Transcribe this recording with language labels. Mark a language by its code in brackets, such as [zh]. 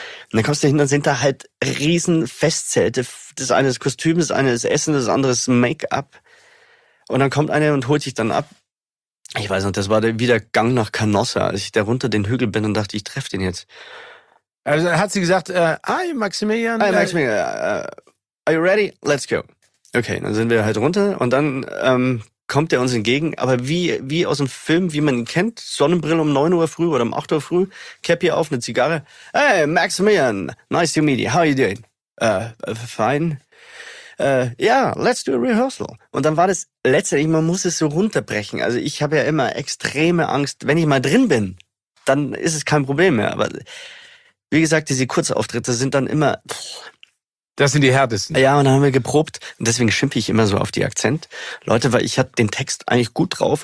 [de] Und dann kommst du hin, dann sind da halt riesen Festzelte. Das eine ist Kostüm, das eine ist Essen, das andere ist Make-up. Und dann kommt einer und holt dich dann ab. Ich weiß noch, das war wieder Gang nach Canossa, als ich da runter den Hügel bin und dachte, ich treffe den jetzt. Also hat sie gesagt, [en] hi [de] Maximilian. [en] Hi Maximilian, are you ready? Let's go. [de] Okay, dann sind wir halt runter und dann kommt er uns entgegen. Aber wie aus dem Film, wie man ihn kennt, Sonnenbrille um 9 Uhr früh oder um 8 Uhr früh, Cap hier auf, eine Zigarre. [en] Hey Maximilian, nice to meet you, how are you doing? Fine. Let's do a rehearsal. [de] Und dann war das letztendlich, man muss es so runterbrechen. Also ich habe ja immer extreme Angst, wenn ich mal drin bin, dann ist es kein Problem mehr. Aber wie gesagt, diese Kurzauftritte sind dann immer... Das sind die härtesten. Ja, und dann haben wir geprobt. Und deswegen schimpfe ich immer so auf die Akzent. Leute, weil ich hatte den Text eigentlich gut drauf.